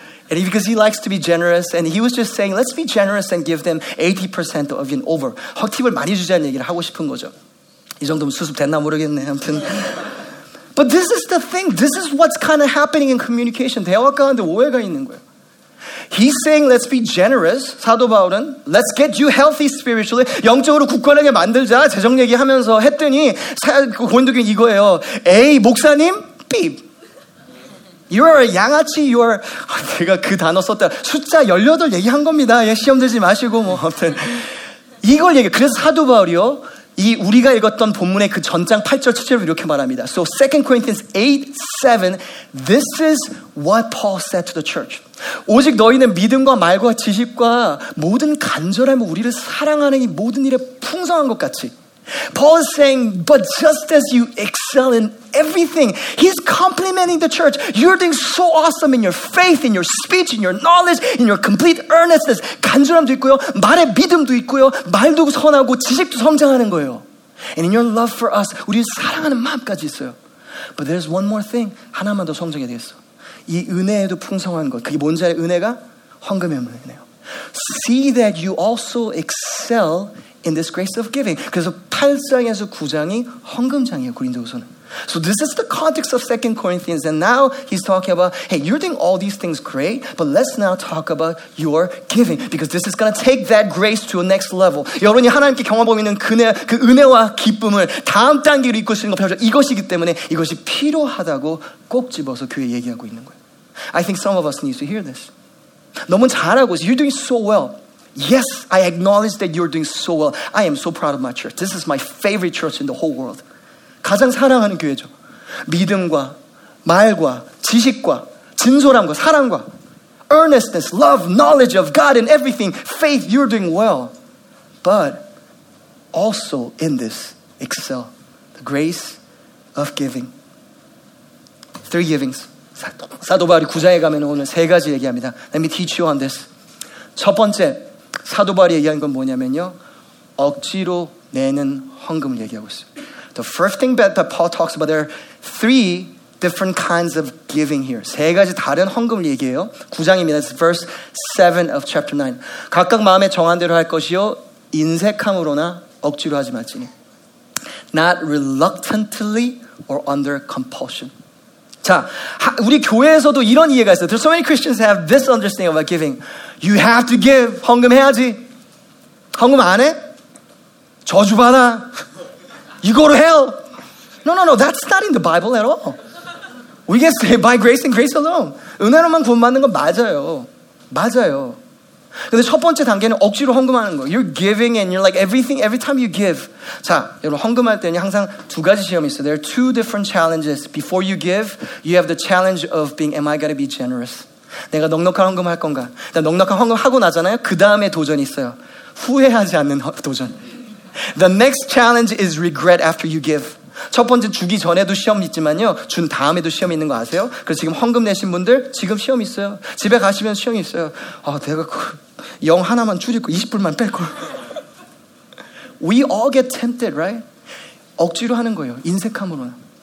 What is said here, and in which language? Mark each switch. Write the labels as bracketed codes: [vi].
[en] And because he likes to be generous and he was just saying let's be generous and give them 80% of an over. [ko] 헉팁을 많이 주자는 얘기를 하고 싶은 거죠. 이 정도면 수습 됐나 모르겠네. 아무튼. [en] But this is the thing. This is what's kind of happening in communication. [ko] 대화 가운데 오해가 있는 거예요. [en] He's saying let's be generous. [ko] 사도 바울은 [en] let's get you healthy spiritually. [ko] 영적으로 굳건하게 만들자. 재정 얘기하면서 했더니 고린도교 이거예요. [en] A 목사님 B. You are a 양아치. You are [ko] 내가 그 단어 썼다. 숫자 18 얘기한 겁니다. 예, 시험 들지 마시고 뭐 아무튼 이걸 얘기. 그래서 사도 바울이요. 이 우리가 읽었던 본문의 그 전장 8절 7절을 이렇게 말합니다. [en] So 2 Corinthians 8:7. This is what Paul said to the church. [ko] 오직 너희는 믿음과 말과 지식과 모든 간절함을 우리를 사랑하는 이 모든 일에 풍성한 것 같이. [en] Paul is saying, but just as you excel in everything, he's complimenting the church. You're doing so awesome in your faith, in your speech, in your knowledge, in your complete earnestness. [ko] 간절함도 있고요. 말에 믿음도 있고요. 말도 선하고 지식도 성장하는 거예요. [en] And in your love for us, [ko] 우리를 사랑하는 마음까지 있어요. [en] But there's one more thing. [ko] 하나만 더 성장해야 되겠어. 이 은혜에도 풍성한 것. 그게 뭔지 알아요? 은혜가 황금의 은혜네요. [en] See that you also excel in this grace of giving. [ko] 그래서 8장에서 9장이 헌금장이에요. [en] 고린도후서는. So this is the context of 2 Corinthians. And now he's talking about, hey, you're doing all these things great, but let's now talk about your giving. Because this is going to take that grace to a next level. [ko] 여러분이 하나님께 경험하고 있는 그 은혜와 기쁨을 다음 단계로 이끌 수 있는 것, 이것이기 때문에 이것이 필요하다고 꼭 집어서 교회 얘기하고 있는 거예요. [en] I think some of us need to hear this. [ko] 너무 잘하고 있어. [en] You're doing so well. Yes, I acknowledge that you're doing so well. I am so proud of my church. This is my favorite church in the whole world. [ko] 가장 사랑하는 교회죠. 믿음과 말과 지식과 진솔함과 사랑과 [en] earnestness, love, knowledge of God and everything, faith, you're doing well. But also in this excel, the grace of giving. Three givings. [ko] 사도 바울이 9장에 가면 오늘 세 가지 얘기합니다. [en] Let me teach you on this. [ko] 첫 번째, 사도 바울이 얘기한 건 뭐냐면요. 억지로 내는 헌금을 얘기하고 있어요. [en] The first thing that Paul talks about, there are three different kinds of giving here. [ko] 세 가지 다른 헌금을 얘기해요. 9장입니다. [en] It's verse 7 of chapter 9. [ko] 각각 마음에 정한 대로 할 것이요. 인색함으로나 억지로 하지 말지니. [en] Not reluctantly or under compulsion. [ko] 자, 우리 교회에서도 이런 이해가 있어요. [en] There's so many Christians have this understanding about giving. You have to give. [ko] 헌금 해야지. 헌금 안 해? 저주받아. [en] You go to hell. No, no, no. That's not in the Bible at all. We get saved by grace and grace alone. [ko] 은혜로만 구원받는 건 맞아요. 맞아요. 근데 첫 번째 단계는 억지로 헌금하는 거. [en] You're giving and you're like everything, every time you give. [ko] 자, 여러분 헌금할 때는 항상 두 가지 시험이 있어요. [en] There are two different challenges. Before you give, you have the challenge of being, am I going to be generous? [ko] 내가 넉넉한 헌금 할 건가? 내가 넉넉한 헌금 하고 나잖아요. 그 다음에 도전이 있어요. 후회하지 않는 도전. [en] The next challenge is regret after you give. [ko] 첫 번째 주기 전에도 시험 있지만요. 준 다음에도 시험 있는 거 아세요? 그래서 지금 헌금 내신 분들 지금 시험 있어요. 집에 가시면 시험 있어요. 아, 내가 그 영 하나만 줄일 거 20불만 뺄 걸. [en] We all get tempted, right? [ko] 억지로 하는 거예요. 인색함으로는.